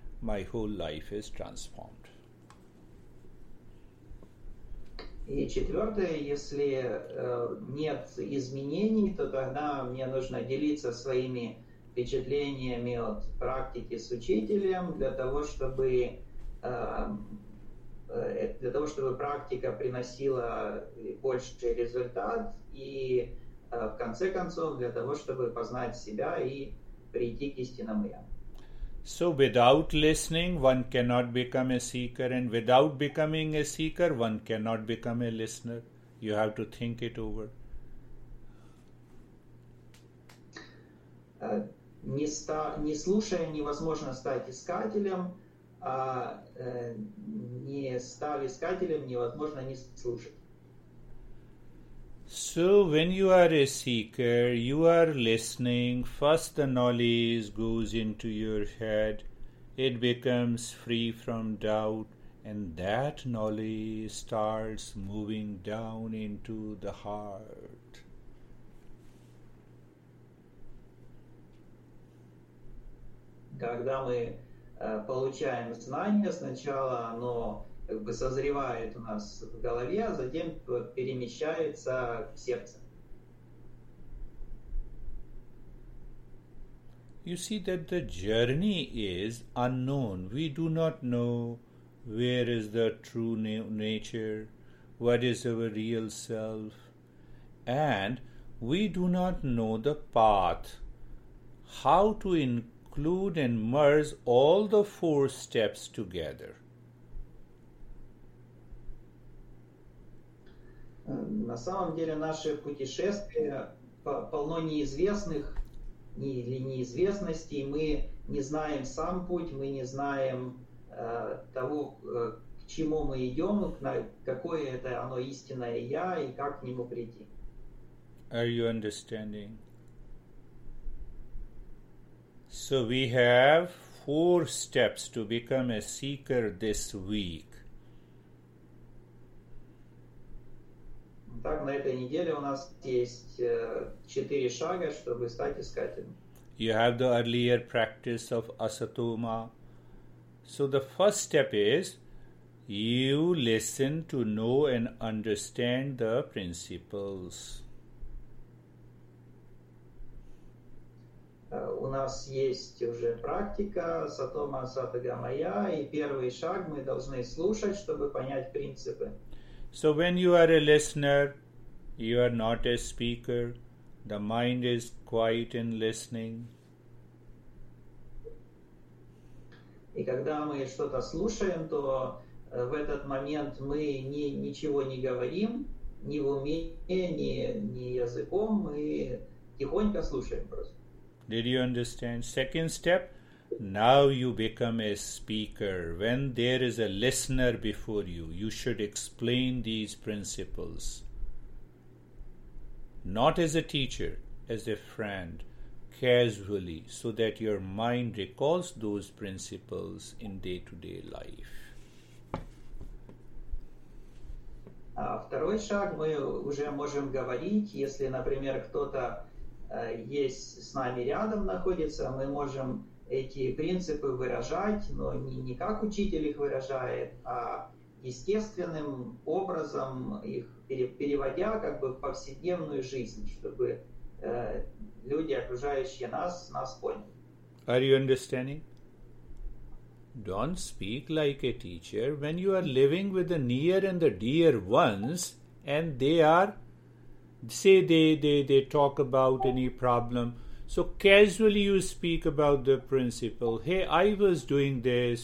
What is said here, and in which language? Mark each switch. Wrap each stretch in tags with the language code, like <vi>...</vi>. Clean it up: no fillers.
<en>My whole life is transformed.</en> <ru>И четвертое, если нет изменений, то тогда мне нужно делиться своими впечатлениями от практики с учителем для того, чтобы практика приносила больше результат, и в конце концов для того, чтобы познать себя и прийти к истинному я.</ru> <en>So without listening, one cannot become a seeker, and without becoming a seeker, one cannot become a listener. You have to think it over.</en> <ru>Не слушая, невозможно стать искателем, а не став искателем, невозможно не слушать.</ru> <en>So when you are a seeker, you are listening, first the knowledge goes into your head, it becomes free from doubt, and that knowledge starts moving down into the heart.</en> <ru>Когда мы получаем знание, сначала оно как бы созревает у нас в голове, а затем перемещается в сердце.</ru> <en>You see that the journey is unknown. We do not know where is the true nature, what is our real self, and we do not know the path, how to include and merge all the four steps together.</en> <ru>На самом деле наше путешествие полно неизвестных или неизвестностей. Мы не знаем сам путь, мы не знаем того, к чему мы идем, какое это оно истинное я и как к нему прийти.</ru> <en>Are you understanding? So we have four steps to become a seeker this week.</en> <ru>Так, на этой неделе у нас есть четыре шага, чтобы стать искателем.</ru> <en>You have the earlier practice of asatoma. So the first step is you listen to know and understand the principles.</en> <ru>У нас есть уже практика сатома сатага майя, и первый шаг мы должны слушать, чтобы понять принципы.</ru> <en>So when you are a listener, you are not a speaker, the mind is quiet in listening.</en> <ru>И когда мы что-то слушаем, то в этот момент мы ничего не говорим, ни в уме, ни языком, мы тихонько слушаем просто.</ru> <en>Did you understand? Second step, now you become a speaker. When there is a listener before you, you should explain these principles. Not as a teacher, as a friend, casually, so that your mind recalls those principles in day-to-day life.</en> <ru>Второй шаг, мы уже можем говорить, если, например, кто-то есть с нами рядом находится, мы можем эти принципы выражать, но не как учитель их выражает, а естественным образом их переводя как бы в повседневную жизнь, чтобы люди, окружающие нас поняли.</ru> <en>Are you understanding? Don't speak like a teacher when you are living with the near and the dear ones and they are Say they talk about any problem. So casually you speak about the principle. Hey, I was doing this.</en>